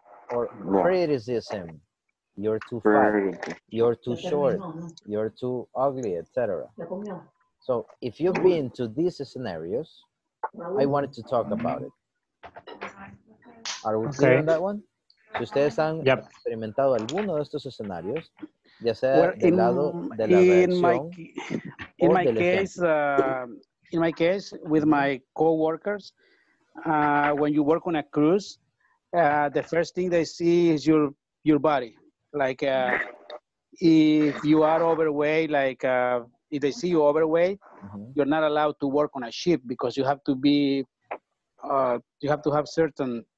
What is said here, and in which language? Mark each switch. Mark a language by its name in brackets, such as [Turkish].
[English] Or criticism. You're too fat. You're too short. You're too ugly, etc. So if you've been to these scenarios, I wanted to talk about it. Are we clear on that one? [Spanish] Si ustedes han experimentado alguno de estos escenarios, ya sea del lado de la reacción o del ejemplo. [English] In my case, with my co-workers, when you work on a cruise, the first thing they see is your body. Like if you are overweight, like if they see you overweight, you're not allowed to work on a ship because you have to be, you have to have certain...